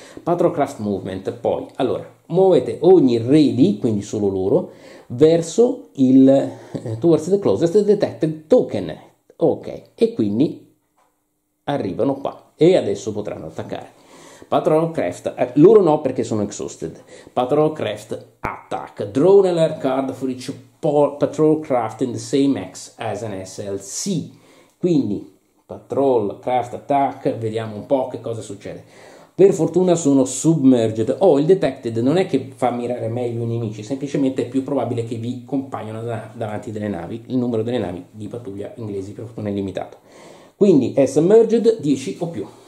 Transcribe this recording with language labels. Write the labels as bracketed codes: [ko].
[it] Patrolcraft movement, poi, allora, muovete ogni ready, quindi solo loro, verso il, [en] towards the closest detected token. [it] Ok, e quindi arrivano qua e adesso potranno attaccare. Patrol Craft, loro no perché sono exhausted. [en] Patrol Craft attack. Draw an alert card for each patrol craft in the same X as an SLC. [it] Quindi patrol craft attack, vediamo un po' che cosa succede. Per fortuna sono submerged. Oh, il detected non è che fa mirare meglio i nemici, semplicemente è più probabile che vi compaiono davanti delle navi. Il numero delle navi di pattuglia inglesi per fortuna è limitato. Quindi è submerged 10 o più.